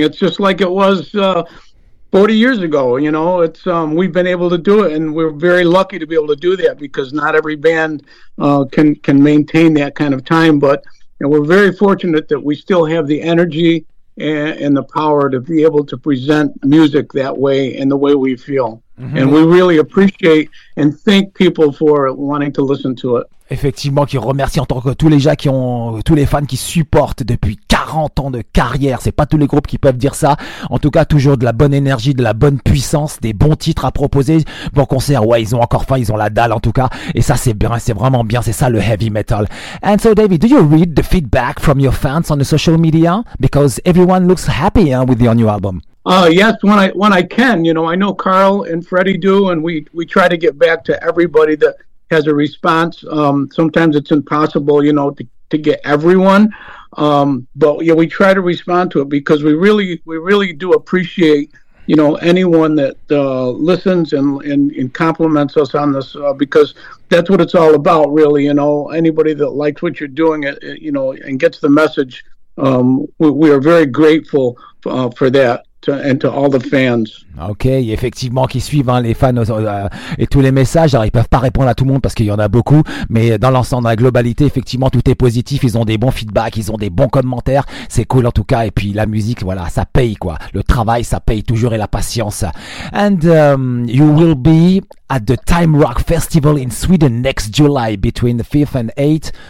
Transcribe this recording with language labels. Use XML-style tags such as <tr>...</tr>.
<en>It's just like it was 40 years ago, you know, it's we've been able to do it, and we're very lucky to be able to do that, because not every band can maintain that kind of time. But you know, we're very fortunate that we still have the energy and the power to be able to present music that way and the way we feel. Mm-hmm. And we really appreciate and thank people for wanting to listen to it.</en> <fr>Effectivement, qui remercie en tant que tous les gens qui ont, tous les fans qui supportent depuis 40 ans de carrière. C'est pas tous les groupes qui peuvent dire ça. En tout cas, toujours de la bonne énergie, de la bonne puissance, des bons titres à proposer. Bon concert, ouais, ils ont encore faim, ils ont la dalle en tout cas. Et ça, c'est bien, c'est vraiment bien, c'est ça le heavy metal.</fr> <en>And so, David, do you read the feedback from your fans on the social media? Because everyone looks happy hein, with your new album. Yes, when I can. You know, I know Carl and Freddie do, and we try to get back to everybody that has a response. Sometimes it's impossible, you know, to get everyone. But yeah, we try to respond to it, because we really do appreciate you know, anyone that listens and compliments us on this, because that's what it's all about, really. You know, anybody that likes what you're doing, you know, and gets the message, we are very grateful for that. To all the fans.</en> <fr>Ok, effectivement, qui suivent, hein, les fans et tous les messages. Alors, ils peuvent pas répondre à tout le monde parce qu'il y en a beaucoup, mais dans l'ensemble, dans la globalité, effectivement, tout est positif. Ils ont des bons feedbacks, ils ont des bons commentaires. C'est cool en tout cas. Et puis la musique, voilà, ça paye quoi. Le travail, ça paye toujours, et la patience.</fr> <en>And you will be at the Time Rock Festival in Sweden next July, between the 5th and 8th.</en>